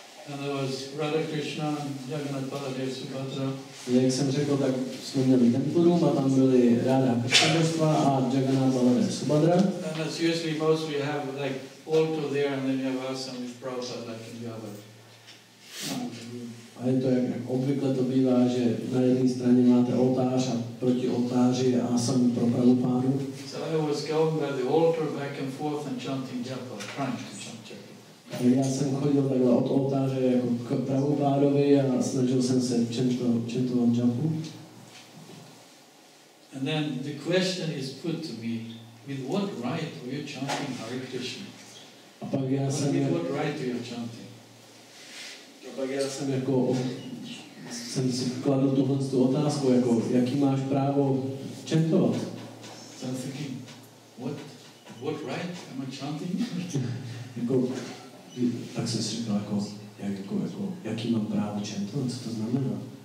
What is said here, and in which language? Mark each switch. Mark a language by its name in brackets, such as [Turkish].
[English] And there was Radha Krishna and Jagannath Baladev Subhadra. [Czech] Jak jsem řekl, tak jsme měli temple room a tam byli Radha Krishna a Jagannath Baladev Subhadra. [English] And as usually most we have like altar there and then you have asana with Prabhupada like in the other. [Czech] A je to jak obvykle to bývá, že na jedné straně máte oltář a proti oltáři je asana pro Prabhupádu. [English] I was going by the altar back and forth and chanting japa, trying to chant japa. [Czech] Já jsem chodil takhle od oltáře jako k Prabhupádovi a snažil jsem se chantovat japu. [English] And then the question is put to me, with what right were you chanting Hare Krishna? [Czech] A pak jsem [English] with what right were you chanting? [Czech] A pak jsem si kladl tuhle otázku, jako jaký máš právo chantovat? [English] So I'm thinking, what right am I chanting? [Czech] Jako, tak jsem si říkal, jako, jaký mám právo chantovat, co to znamená?